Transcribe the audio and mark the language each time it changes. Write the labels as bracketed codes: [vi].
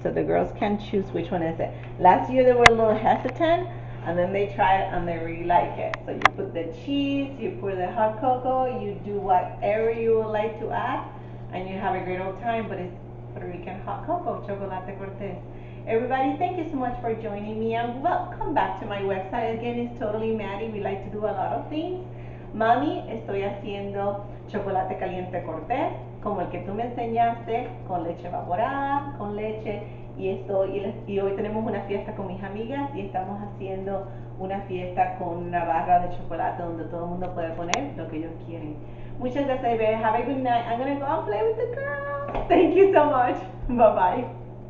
[en] So the girls can choose which one is it. Last year they were a little hesitant, and then they try it and they really like it. So you put the cheese, you pour the hot cocoa, you do whatever you would like to add, and you have a great old time. But it's Puerto Rican hot cocoa, chocolate cortez. Everybody, thank you so much for joining me, and welcome back to my website. Again, it's Totally Maddie. We like to do a lot of things. [es] Mami, estoy haciendo chocolate caliente cortez, como el que tú me enseñaste, con leche evaporada, con leche. Y hoy tenemos una fiesta con mis amigas y estamos haciendo una fiesta con una barra de chocolate donde todo el mundo puede poner lo que ellos quieren. Muchas gracias, [en] baby. Have a good night. I'm going to go and play with the girls. Thank you so much. Bye-bye.